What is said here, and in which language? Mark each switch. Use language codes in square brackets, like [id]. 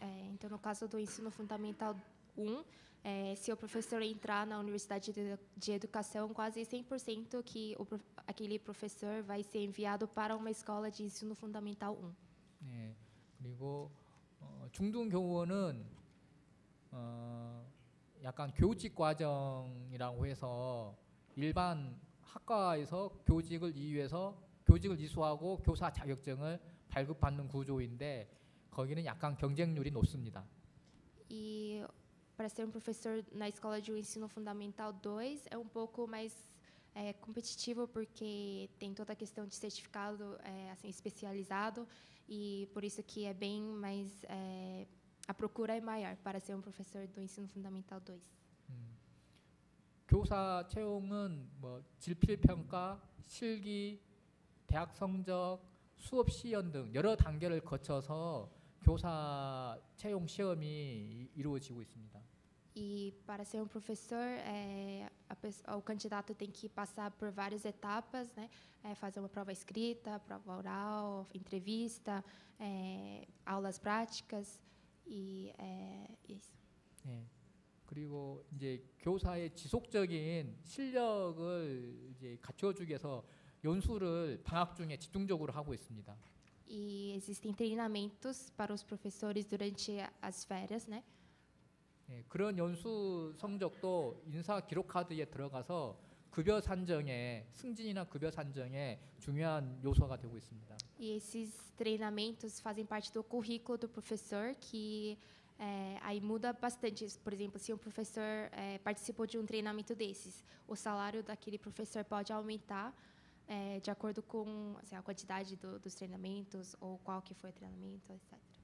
[pt] Então, no caso do ensino fundamental se o professor entrar na universidade de educação, quase 100% que aquele professor vai ser enviado para uma escola de ensino fundamental 1. [ko] 네. 그리고 중등 교원은 약간 교직 과정이라고 해서 일반 학과에서 교직을 이수해서 교직을 이수하고 교사 자격증을 발급받는 구조인데 거기는 약간 경쟁률이 높습니다. [pt] 이 Para ser um professor na escola de um ensino fundamental 2 é um pouco mais competitivo porque tem toda a questão de certificado assim especializado e por isso que é bem mais a procura é maior para ser um professor do ensino fundamental 2. [ko] 교사 채용은 뭐 질필 평가, 실기, 대학 성적, 수업 시연 등 여러 단계를 거쳐서 교사 채용 시험이 이루어지고 있습니다. [pt] E para ser um professor, o candidato tem que passar por várias etapas, né? Fazer uma prova escrita, prova oral, entrevista, aulas práticas e isso. [ko] 네. 그리고 이제 교사의 지속적인 실력을 이제 갖춰주기 위해서 연수를 방학 중에 집중적으로 하고 있습니다. [pt] E existem treinamentos para os professores durante as férias, né? [ko] 네, 그런 연수 성적도 인사 기록 카드에 들어가서 급여 산정에 승진이나 급여 산정에 중요한 요소가 되고 있습니다. [pt] E esses treinamentos fazem parte do currículo do professor que aí muda bastante. Por exemplo, se um professor participou de um treinamento desses, o salário daquele professor pode aumentar de acordo com assim, a quantidade dos treinamentos ou qual que foi o treinamento, etc.